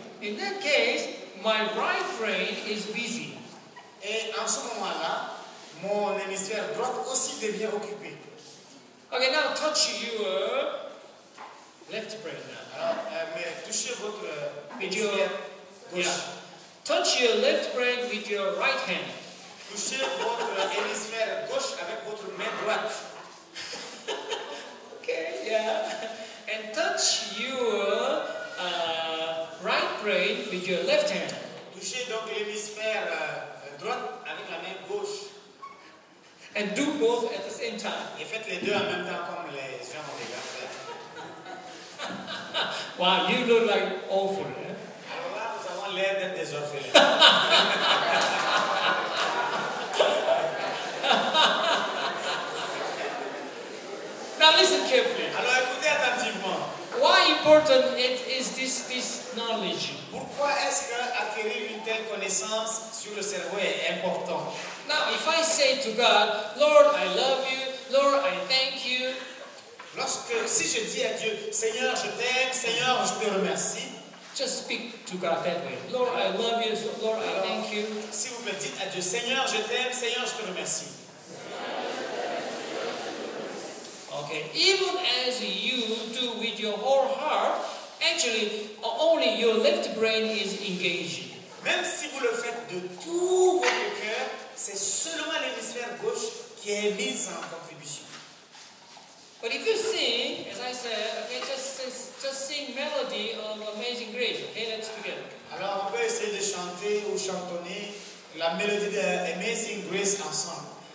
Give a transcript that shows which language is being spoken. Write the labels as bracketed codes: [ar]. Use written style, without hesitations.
[en] In that case, my right brain is busy. [fr] Et en ce moment-là, mon hémisphère droit aussi devient occupé. [en] Okay, now touch your left brain now. [fr] Mais touchez votre hémisphère gauche. [en] Yeah. Touch your left brain with your right hand. [fr] Touchez votre hémisphère gauche avec votre main droite. [en] Okay, yeah. And touch your right brain with your left hand. [fr] Touchez donc l'hémisphère droite avec la main gauche. [en] And do both at the same time. [fr] Et faites les deux en même temps comme les gens ont déjà fait. [en] Wow, you look like awful. [fr] Alors là, vous avez l'air d'être des orphelins. [en] Now listen carefully. [fr] Alors écoutez attentivement. [en] Why important it is this knowledge? [fr] Pourquoi est-ce que acquérir une telle connaissance sur le cerveau est important? [en] Now, if I say to God, Lord, I love you. Lord, I thank you. [fr] Lorsque si je dis à Dieu, Seigneur, je t'aime. Seigneur, je te remercie. [en] Just speak to God that way. Lord, I love you. So, Lord, I thank you. [fr] Si vous me dites à Dieu, Seigneur, je t'aime. Seigneur, je te remercie. [en] Okay. Even as you do with your whole heart, actually, only your left brain is engaged. [fr] Même si vous le faites de tout votre cœur, c'est seulement l'hémisphère gauche qui est mise en contribution. [en] But if you sing, as I said, okay, just sing melody of Amazing Grace. Okay, let's begin. [fr] Alors, on peut essayer de chanter ou chantonner la mélodie de Amazing Grace ensemble.